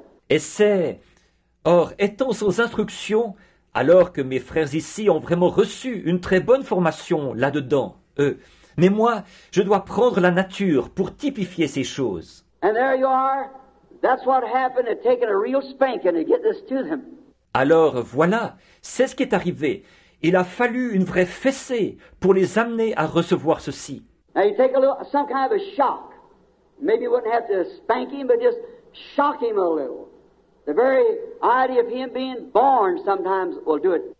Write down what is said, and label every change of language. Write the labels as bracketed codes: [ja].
[fr] Et c'est, or, étant sans instruction, alors que mes frères ici ont vraiment reçu une très bonne formation là-dedans, eux, mais moi, je dois prendre la nature pour typifier ces choses. [en] And there you are. That's what happened. It's taken a real spanking to get this to them. [fr] Alors voilà, c'est ce qui est arrivé. Il a fallu une vraie fessée pour les amener à recevoir ceci. [en] Now you take a little, some kind of a shock. Maybe you wouldn't have to spank him, but just shock him a little. The very idea of him being born sometimes will do it.